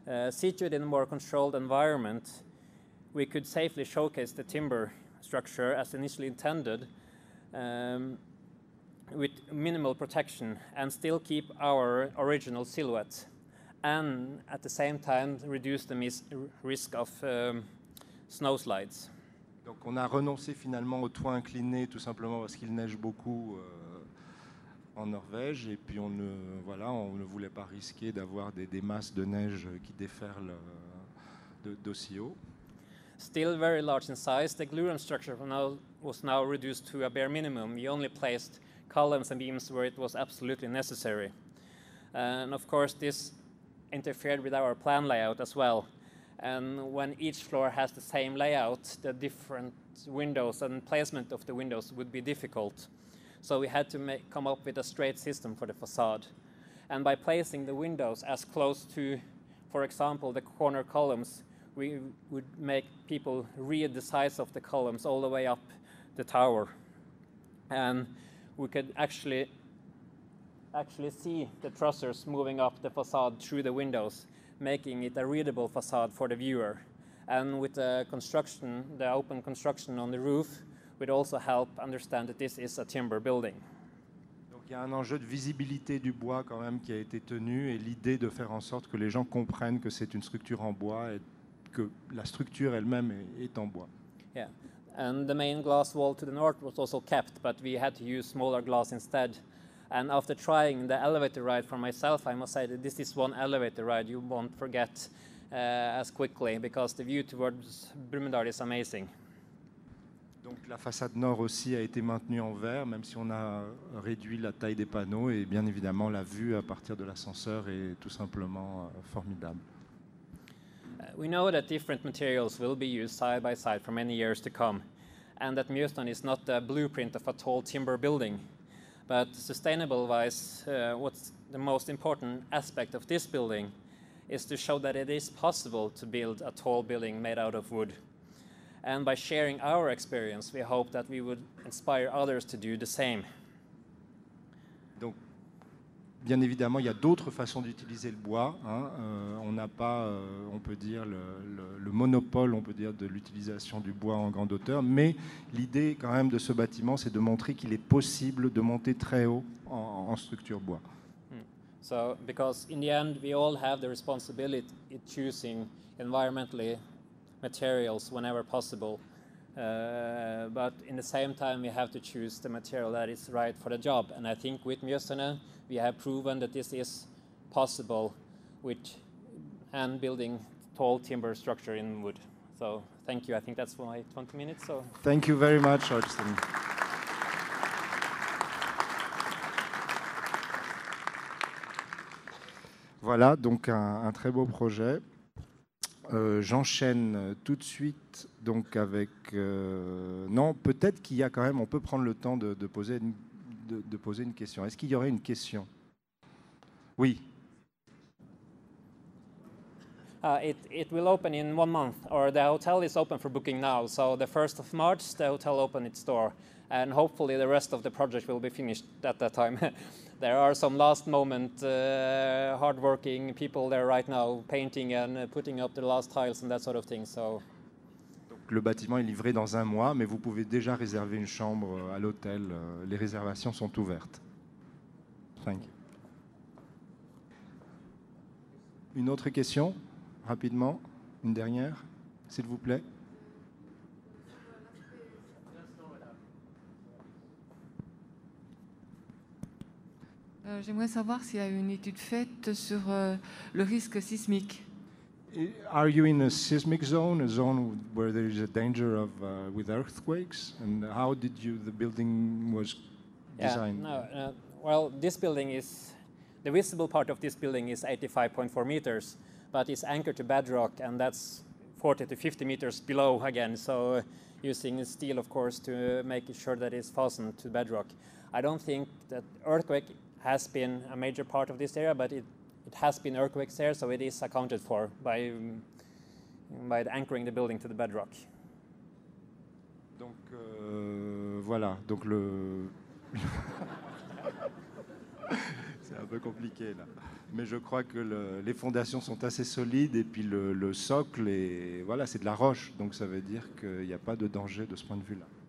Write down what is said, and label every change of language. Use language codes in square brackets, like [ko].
[en] Situated in a more controlled environment, we could safely showcase the timber structure as initially intended, with minimal protection, and still keep our original silhouette, and at the same time reduce the risk of snow slides. [fr] Donc on a renoncé finalement au toit incliné tout simplement parce qu'il neige beaucoup en Norvège, et puis on ne voulait pas risquer d'avoir des masses de neige qui déferlent d'aussi haut. [en] Still very large in size, the glulam structure was now reduced to a bare minimum. We only placed columns and beams where it was absolutely necessary. And of course, this interfered with our plan layout as well. And when each floor has the same layout, the different windows and placement of the windows would be difficult. So we had to come up with a straight system for the facade. And by placing the windows as close to, for example, the corner columns, we would make people read the size of the columns all the way up the tower. And we could actually see the trusses moving up the facade through the windows, making it a readable facade for the viewer. And with the construction, the open construction on the roof, would also help understand that this is a timber building. [fr] Donc il y a un enjeu de visibilité du bois quand même qui a été tenu et l'idée de faire en sorte que les gens comprennent que c'est une structure en bois et que la structure elle-même est en bois. [en] Yeah. And the main glass wall to the north was also kept, but we had to use smaller glass instead. And after trying the elevator ride for myself, I must say that this is one elevator ride you won't forget as quickly, because the view towards Brumunddal is amazing. Donc la façade nord aussi a été maintenue en verre, même si on a réduit la taille des panneaux, et bien évidemment la vue à partir de l'ascenseur est tout simplement formidable. We know that different materials will be used side by side for many years to come, and that Mjøstrand is not a blueprint of a tall timber building. But sustainable-wise, what's the most important aspect of this building is to show that it is possible to build a tall building made out of wood. And by sharing our experience, we hope that we would inspire others to do the same. [fr] Donc, bien évidemment, il y a d'autres façons d'utiliser le bois. Hein. On n'a pas, on peut dire, le monopole, on peut dire, de l'utilisation du bois en grande hauteur. Mais l'idée, quand même, de ce bâtiment, c'est de montrer qu'il est possible de monter très haut en structure bois. [en] So, because in the end, we all have the responsibility in choosing environmentally materials whenever possible. But in the same time, we have to choose the material that is right for the job. And I think with Mjøstene, we have proven that this is possible with hand building tall timber structure in wood. So thank you. I think that's for my 20 minutes. So thank you very much, Arsten. [fr] Voilà, donc un très beau projet. J'enchaîne tout de suite donc avec... Non, peut-être qu'il y a quand même... On peut prendre le temps de poser une question. Est-ce qu'il y aurait une question? Oui. [en] It will open in one month, or the hotel is open for booking now. So the 1st of March, the hotel opened its door. And hopefully the rest of the project will be finished at that time. There are some last moment hardworking people there right now, painting and putting up the last tiles and that sort of thing. So. [fr] Donc, le bâtiment est livré dans un mois, mais vous pouvez déjà réserver une chambre à l'hôtel. Les réservations sont ouvertes. [en] Thank you. [fr] Une autre question, rapidement, une dernière, s'il vous plaît. J'aimerais savoir s'il y a une étude faite sur le risque sismique. [en] Are you in a seismic zone, a zone where there is a danger of with earthquakes? And how did you the building was designed? Yeah, no, this building is the visible part of this building is 85.4 meters, but it's anchored to bedrock, and that's 40 to 50 meters below again. So using steel, of course, to make sure that it's fastened to bedrock. I don't think that earthquake has been a major part of this area, but it has been earthquakes there, so it is accounted for by anchoring the building to the bedrock. [fr] Donc voilà, donc le c'est un peu compliqué là, mais je crois que les fondations sont assez solides et puis le socle est voilà, c'est de la roche, donc ça veut dire qu'il n'y a pas de danger de ce point de vue là.